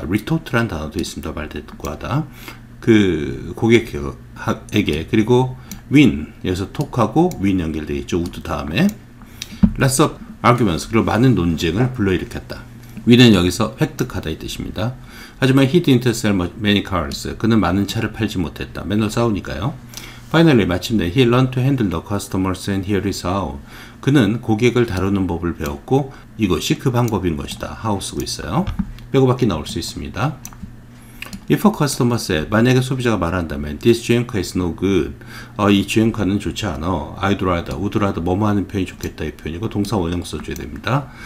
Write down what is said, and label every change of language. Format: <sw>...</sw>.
<ko>Retort란 단어도 있습니다. 말대꾸하다. 그 고객에게, 그리고 win, 여기서 talk하고 win 연결되겠죠. would 다음에.</ko> <en>Lots of arguments,</en> <ko>그리고 많은 논쟁을 불러일으켰다. win은 여기서 획득하다의 뜻입니다. 하지만</ko> <en>he didn't sell many cars.</en> <ko>그는 많은 차를 팔지 못했다. 맨날 싸우니까요.</ko> <en>Finally,</en> <ko>마침내</ko> <en>he learned to handle the customers and here is how.</en> <ko>그는 고객을 다루는 법을 배웠고 이것이 그 방법인 것이다. how 쓰고 있어요. 빼고박기 나올 수 있습니다.</ko> <en>If a customer said,</en> <ko>만약에 소비자가 말한다면</ko> <en>this GM car is no good.</en> <ko>이 GM 카는 좋지 않아.</ko> <en>I'd rather,</en> <ko>would rather 뭐뭐 하는 표현이 좋겠다의 표현이고 동사 원형 써줘야 됩니다.</ko>